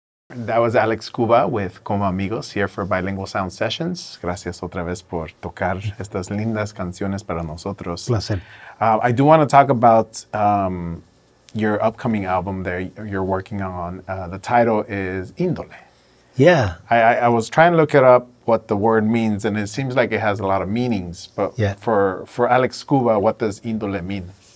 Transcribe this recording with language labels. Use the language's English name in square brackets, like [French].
[English] That was Alex Cuba with Como Amigos here for Bilingual Sound Sessions. [Spanish] Gracias otra vez por tocar estas lindas canciones para nosotros. Placer. [English] I do want to talk about your upcoming album that you're working on. The title is Índole. Yeah. I was trying to look it up, what the word means, and it seems like it has a lot of meanings. But yeah, for Alex Cuba, what does Índole mean?